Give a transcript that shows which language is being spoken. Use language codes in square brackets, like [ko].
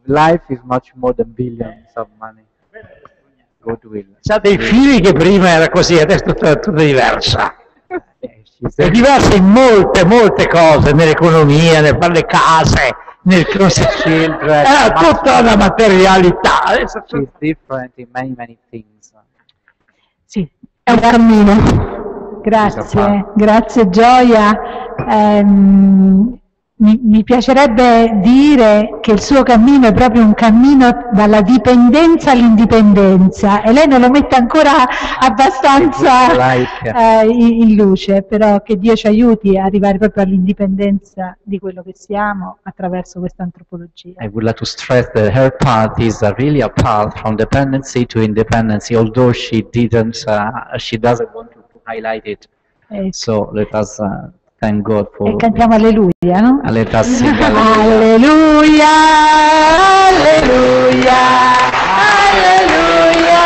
[en] Life is much more than billions of money. God will. [it] C'ha dei fili che prima era così, adesso è tutto diversa. È diversa in molte, molte cose, nell'economia, nelle case, nel cosa c'entra. È tutta una materialità. [en] It's different in many, many things. [it] Sì, è un cammino. Grazie, grazie Gioia. Mi piacerebbe dire che il suo cammino è proprio un cammino dalla dipendenza all'indipendenza e lei non lo mette ancora abbastanza in luce, però che Dio ci aiuti a arrivare proprio all'indipendenza di quello che siamo attraverso questa antropologia. [en] I would like to stress that her path is really a path from dependency to independence, although she doesn't want to highlight it. So let us thank God for [it] e cantiamo me. Alleluia, no? Alleluia, alleluia, alleluia, alleluia, alleluia.